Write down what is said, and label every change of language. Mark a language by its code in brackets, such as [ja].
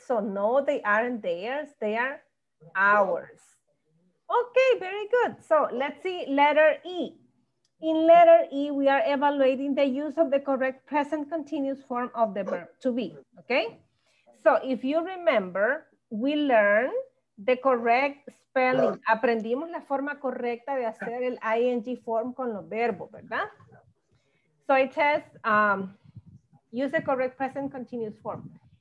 [en] So no, they aren't theirs, they are ours. Okay, very good. So let's see letter E. In letter E, we are evaluating the use of the correct present continuous form of the verb to be, okay? So if you remember, we learned the correct spelling. [es] Aprendimos la forma correcta de hacer el [en] ing form [es] con los verbos, ¿verdad? [en] So it says, use the correct present continuous form.